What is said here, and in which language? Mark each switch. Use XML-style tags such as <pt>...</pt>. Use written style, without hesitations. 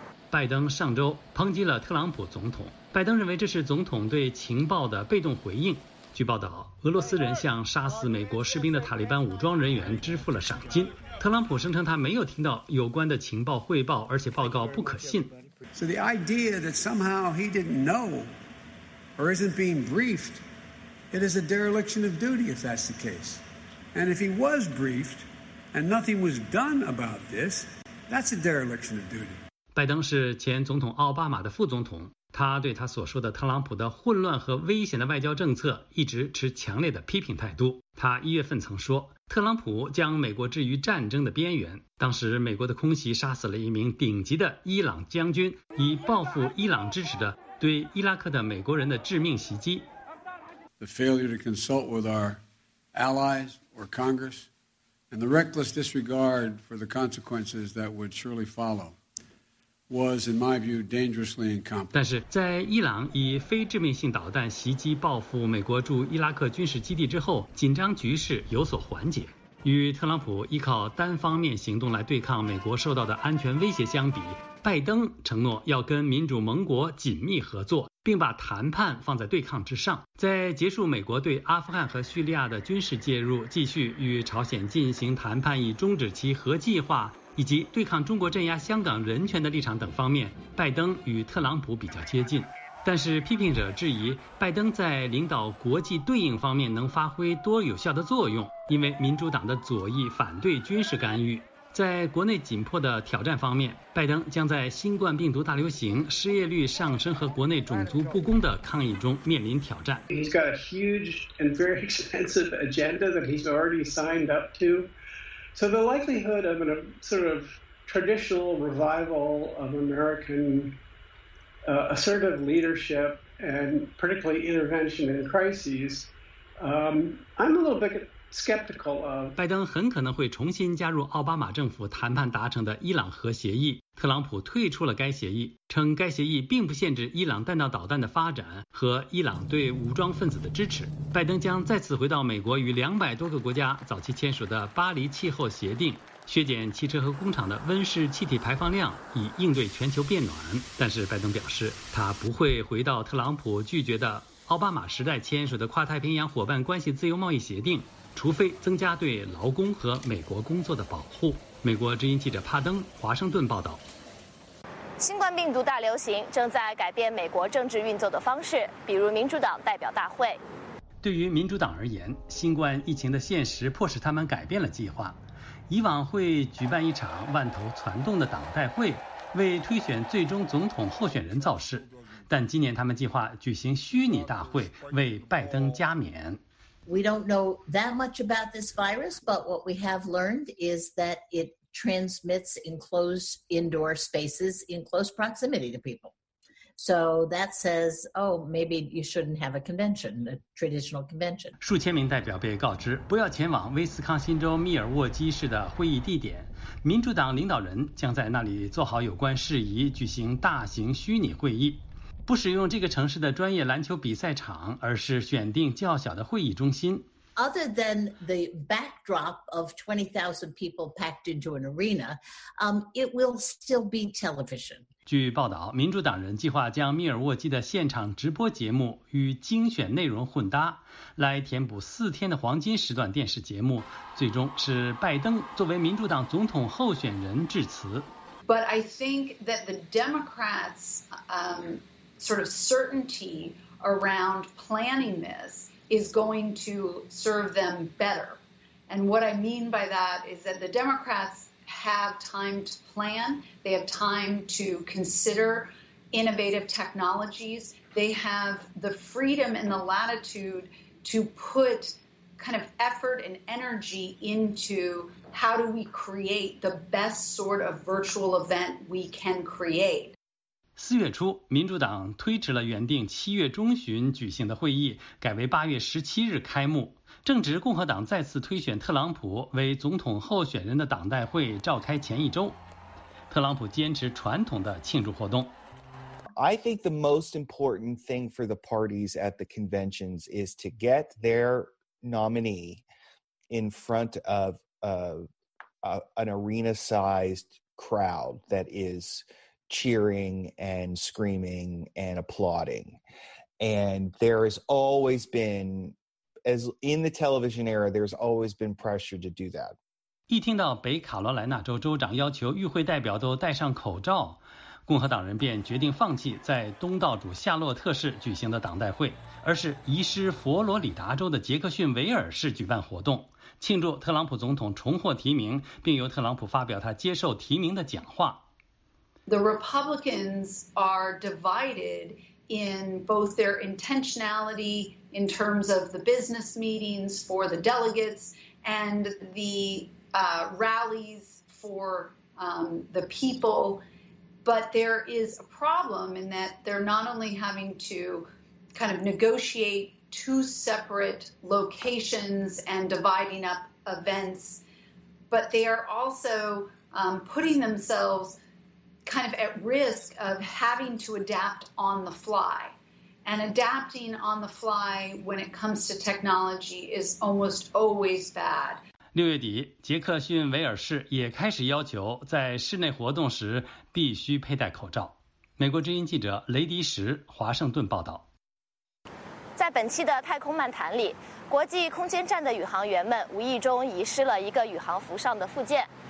<zh>拜登上周抨击了特朗普总统，拜登认为这是总统对情报的被动回应。据报道，俄罗斯人向杀死美国士兵的塔利班武装人员支付了赏金，特朗普声称他没有听到有关的情报汇报，而且报告不可信。</zh> <en>So the idea that somehow he didn't know or isn't being briefed, it is a dereliction of duty if that's the case. And if he was briefed and nothing was done about this, that's a dereliction of duty.</en> <zh>拜登是前总统奥巴马的副总统，他对他所说的特朗普的混乱和危险的外交政策一直持强烈的批评态度。他一月份曾说，特朗普将美国置于战争的边缘，当时美国的空袭杀死了一名顶级的伊朗将军，以报复伊朗支持的对伊拉克的美国人的致命袭击。</zh> <en>The failure to consult with our allies or Congress and the reckless disregard for the consequences that would surely followwas, in my view, dangerously incompetent.</en> <zh>但是在伊朗以非致命性导弹袭击报复美国驻伊拉克军事基地之后，紧张局势有所缓解。与特朗普依靠单方面行动来对抗美国受到的安全威胁相比，拜登承诺要跟民主盟国紧密合作，并把谈判放在对抗之上。在结束美国对阿富汗和叙利亚的军事介入，继续与朝鲜进行谈判以终止其核计划，以及对抗中国镇压香港人权的立场等方面，拜登与特朗普比较接近。但是批评者质疑拜登在领导国际对应方面能发挥多有效的作用，因为民主党的左翼反对军事干预。在国内紧迫的挑战方面，拜登将在新冠病毒大流行、失业率上升和国内种族不公的抗议中面临挑战。</zh> <en>He's got a huge and very expensive agenda that he's already signed up toSo the likelihood of a sort of traditional revival of American assertive leadership and particularly intervention in crises, I'm a little bit skeptical of.</en> <zh>拜登很可能会重新加入奥巴马政府谈判达成的伊朗核协议。特朗普退出了该协议，称该协议并不限制伊朗弹道导弹的发展和伊朗对武装分子的支持。拜登将再次回到美国与200多个国家早期签署的巴黎气候协定，削减汽车和工厂的温室气体排放量，以应对全球变暖。但是拜登表示，他不会回到特朗普拒绝的奥巴马时代签署的跨太平洋伙伴关系自由贸易协定，除非增加对劳工和美国工作的保护。美国之音记者帕登华盛顿报道。新冠病毒大流行正在改变美国政治运作的方式，比如民主党代表大会。对于民主党而言，新冠疫情的现实迫使他们改变了计划。以往会举办一场万头攒动的党代会，为推选最终总统候选人造势，但今年他们计划举行虚拟大会，为拜登加冕。</zh> <en>We don't know that much about this virus, but what we have learned is that it transmits in close indoor spaces in close proximity to people. So that says, oh, maybe you shouldn't have a convention, a traditional convention.</en> <zh>数千名代表被告知不要前往威斯康辛州密尔沃基市的会议地点，民主党领导人将在那里做好有关事宜，举行大型虚拟会议。不使用这个城市的专业篮球比赛场，而是选定较小的会议中心。</zh> <en>other than the backdrop of 20,000 people packed into an arena, it will still be television.</en> <zh>据报道，民主党人计划将密尔沃基的现场直播节目与精选内容混搭，来填补四天的黄金时段电视节目，最终是拜登作为民主党总统候选人致辞。</zh> <en>But I think that the Democrats, sort of certainty around planning this is going to serve them better. And what I mean by that is that the Democrats have time to plan. They have time to consider innovative technologies. They have the freedom and the latitude to put kind of effort and energy into how do we create the best sort of virtual event we can create.</en> <zh>四月初，民主党推迟了原定七月中旬举行的会议，改为八月十七日开幕。正值共和党再次推选特朗普为总统候选人的党代会召开前一周，特朗普坚持传统的庆祝活动。</zh> <en>I think the most important thing for the parties at the conventions is to get their nominee in front of an arena-sized crowd that is cheering and screaming and applauding. And there has always been, as in the television era, there's always been pressure to do that.</en> <zh>一听到北卡罗来纳州州长要求与会代表都戴上口罩，共和党人便决定放弃在东道主夏洛特市举行的党代会，而是移师佛罗里达州的杰克逊维尔市举办活动，庆祝特朗普总统重获提名，并由特朗普发表他接受提名的讲话。</zh> <en>The Republicans are divided in both their intentionality in terms of the business meetings for the delegates and the rallies for the people. But there is a problem in that they're not only having to kind of negotiate two separate locations and dividing up events, but they are also putting themselves kind of at risk of having to adapt on the fly. And adapting on the fly when it comes to technology is almost always bad.</en> <zh>六月底，杰克逊维尔市也开始要求在室内活动时必须佩戴口罩。美国之音记者雷迪什华盛顿报道。在本期的太空漫谈里，国际空间站的宇航员们无意中遗失了一个宇航服上的附件。</zh>